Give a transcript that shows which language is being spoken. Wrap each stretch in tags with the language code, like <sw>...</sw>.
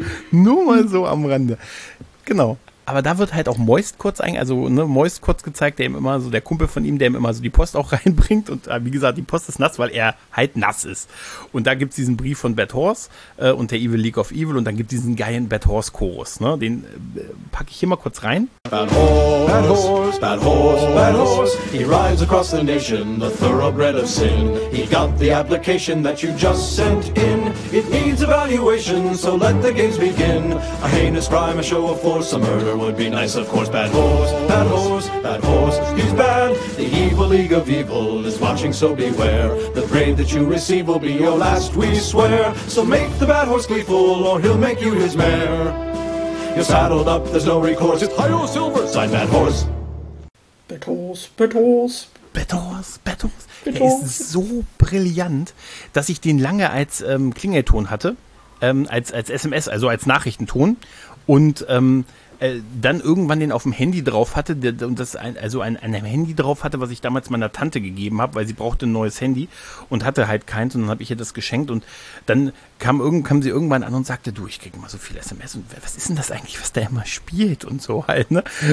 <de>Nur mal so am Rande. Genau. Aber da wird halt auch Moist kurz gezeigt, der ihm immer so, der Kumpel von ihm, der ihm immer so die Post auch reinbringt. Und wie gesagt, die Post ist nass, weil er halt nass ist. Und da gibt es diesen Brief von Bad Horse und der Evil League of Evil. Und dann gibt es diesen geilen Bad Horse Chorus. Ne? Den packe ich hier mal kurz rein.</de> <en>Bad Horse. bad horse, bad horse, bad horse. He rides across the nation, the thoroughbred of sin. He got the application that you just sent in. It needs evaluation, so let the games begin. A heinous crime, a show of force, a murder would be nice, of course. Bad horse, bad horse, bad horse, he's bad. The evil league of evil is watching, so beware. The grade that you receive will be your last, we swear. So make the bad horse gleeful, or he'll make you his mare. You're saddled up, there's no recourse. It's high or silver, sign bad horse. Bad horse, bad horse. Betos, Betos.</en> <de>Er ist so brillant, dass ich den lange als Klingelton hatte, als SMS, also als Nachrichtenton. Und dann irgendwann den auf dem Handy drauf hatte, und das ein Handy drauf hatte, was ich damals meiner Tante gegeben habe, weil sie brauchte ein neues Handy und hatte halt keins, und dann habe ich ihr das geschenkt, und dann kam sie irgendwann an und sagte, du, ich kriege immer so viel SMS, und was ist denn das eigentlich, was der immer spielt und so halt, ne?</de>